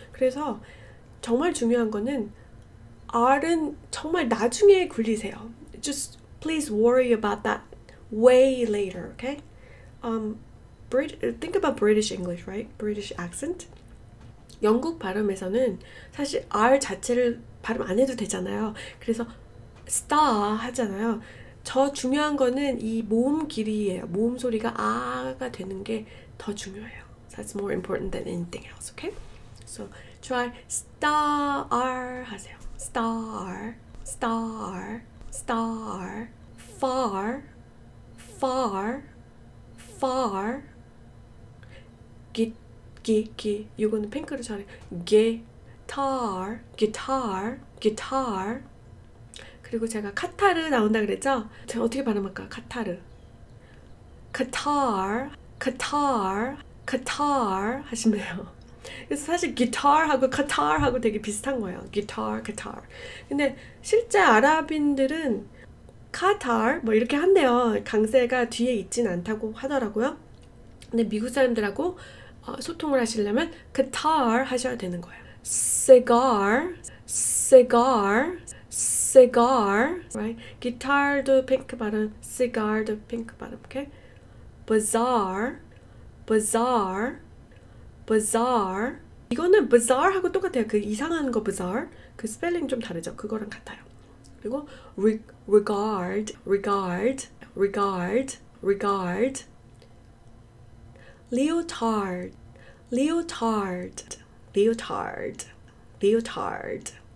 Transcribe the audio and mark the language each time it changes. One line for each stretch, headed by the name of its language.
Korean: 그래서 정말 중요한 거는 R은 정말 나중에 굴리세요.
English: Just please worry about that way later, okay? Think about British English, right? British accent.
Korean: 영국 발음에서는 사실 R 자체를 발음 안 해도 되잖아요. 그래서 star 하잖아요. 더 중요한 거는 이 모음 길이예요. 모음 소리가 아가 되는 게더 중요해요.
English: That's more important than anything else, okay? So try star R
Korean: 하세요.
English: Star, star, star, far, far, far, git, git, git.
Korean: 이거는 핑크로 처리.
English: Guitar, guitar, guitar.
Korean: 그리고 제가 카타르 나온다 그랬죠? 제가 어떻게 발음할까? 카타르.
English: Guitar, guitar, guitar
Korean: 하시면 돼요. 그래서 사실 guitar하고 guitar하고 되게 비슷한 거예요.
English: guitar, guitar.
Korean: 근데 실제 아랍인들은 qatar 뭐 이렇게 한대요. 강세가 뒤에 있진 않다고 하더라고요. 근데 미국 사람들하고 소통을 하시려면 guitar 하셔야 되는 거예요.
English: cigar, cigar, cigar, right?
Korean: guitar도 핑크 발음, cigar도 핑크 발음, okay?
English: bazaar, bazaar. bizarre
Korean: 이거는
English: bizarre
Korean: 하고 똑같아요. 그 이상한 거 bizarre 그 스펠링 좀 다르죠. 그거랑 같아요. 그리고
English: regard, regard, regard, regard, leotard, leotard, leotard, leotard.